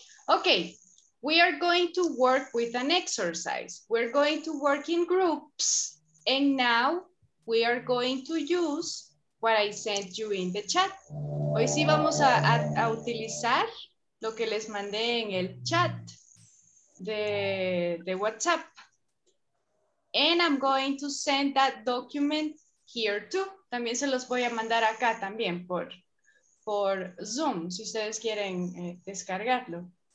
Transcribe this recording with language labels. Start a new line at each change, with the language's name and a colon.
English: Okay, we are going to work with an exercise. We're going to work in groups. And now we are going to use what I sent you in the chat.
Spanish: Hoy sí vamos a utilizar lo que les mandé en el chat de WhatsApp.
English: And I'm going to send that document here too.
Spanish: También se los voy a mandar acá también por Zoom, si ustedes quieren descargarlo.